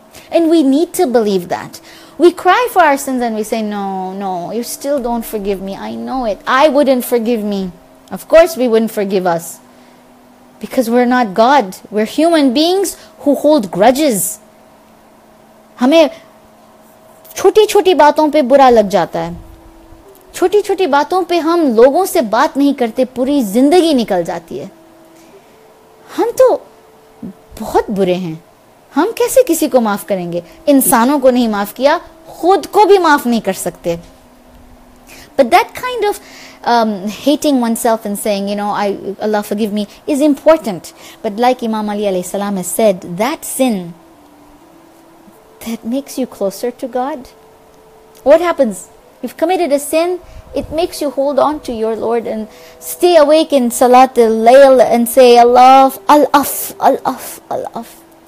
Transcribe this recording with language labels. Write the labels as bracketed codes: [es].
[en] And we need to believe that. We cry for our sins and we say, no, no, you still don't forgive me. I know it. I wouldn't forgive me. Of course we wouldn't forgive us. Because we're not God. We're human beings who hold grudges. [hi] छोटी छोटी बातों पे बुरा लग जाता है, छोटी छोटी बातों पे हम लोगों से बात नहीं करते, पूरी जिंदगी निकल जाती है। हम तो बहुत बुरे हैं, हम कैसे किसी को माफ करेंगे? इंसानों को नहीं माफ किया, खुद को भी माफ नहीं कर सकते। [en] But that kind of hating oneself and saying, you know, Allah forgive me, is important. But like Imam Ali alayhi salam has said, that sin that makes you closer to God. What happens? You've committed a sin, it makes you hold on to your Lord and stay awake in Salat al-Layl and say, Allah, Al-Af, Al-Af, Al-Af.